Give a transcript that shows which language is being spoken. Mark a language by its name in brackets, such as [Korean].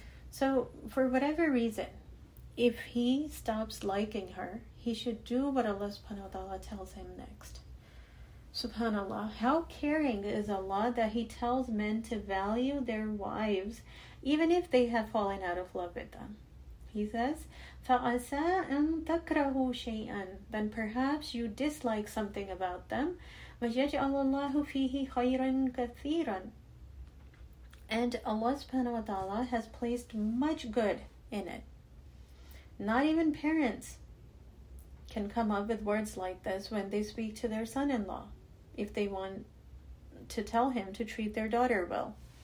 [English] So for whatever reason, if he stops liking her, he should do what Allah subhanahu wa ta'ala tells him next. Subhanallah, how caring is Allah that he tells men to value their wives even if they have fallen out of love with them. He says, [Arabic] فَأَسَىٰ أَن تَكْرَهُوا شَيْئًا. [English] Then perhaps you dislike something about them. [Arabic] وَيَجْعَلُ اللَّهُ فِيهِ خَيْرًا كَثِيرًا. [English] And Allah subhanahu wa ta'ala has placed much good in it. Not even parents can come up with words like this when they speak to their son-in-law, if they want to tell him to treat their daughter well.